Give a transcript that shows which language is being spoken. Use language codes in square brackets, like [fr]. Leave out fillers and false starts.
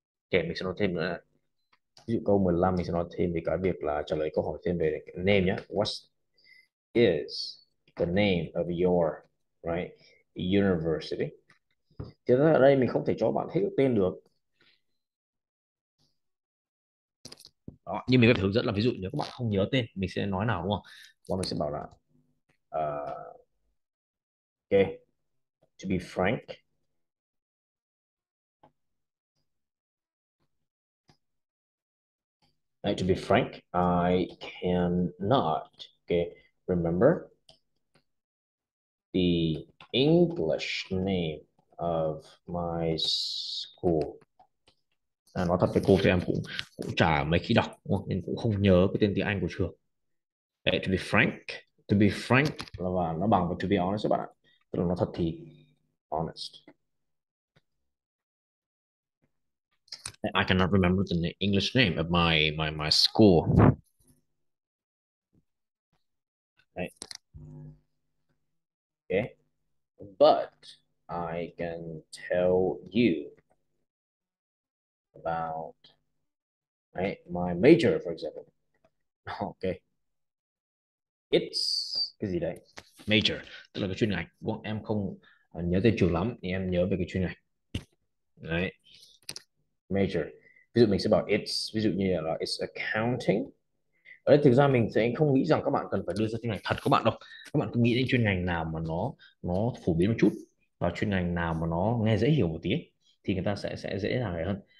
[vi] Okay, mình sẽ nói thêm nữa. Ví dụ câu 15 mình sẽ nói thêm về cái việc là trả lời câu hỏi thêm về name nhé. [en] What is the name of your right university? [vi] Thì ở đây mình không thể cho bạn hết tên được. Đó, nhưng mình có thể hướng dẫn là ví dụ nếu các bạn không nhớ tên mình sẽ nói nào đúng không? Và mình sẽ bảo là [en] okay, to be frank, right, to be frank, I cannot, okay, remember the English name of my school. [vi] À, nói thật với cô thì em cũng chả mấy khi đọc đúng không? Nên cũng không nhớ cái tên tiếng Anh của trường. Okay, [en] to be frank [vi] là nó bằng với [en] to be honest [vi] các bạn ạ. Tức là nói thật thì honest. [en] I cannot remember the English name of my school. Okay. But I can tell you about, right, my major, for example. Okay. It's [vi] cái gì đấy? Major, tức là cái chuyên ngành. Bọn em không nhớ tên trường lắm, nhưng em nhớ về cái chuyên ngành. Đấy. Major. Ví dụ mình sẽ bảo it's, ví dụ như là [en] it's accounting, [vi] Đấy, thực ra mình sẽ không nghĩ rằng các bạn cần phải đưa ra chuyên ngành thật các bạn đâu. Các bạn cứ nghĩ đến chuyên ngành nào mà nó phổ biến một chút, và chuyên ngành nào mà nó nghe dễ hiểu một tí ấy, thì người ta sẽ dễ dàng hơn.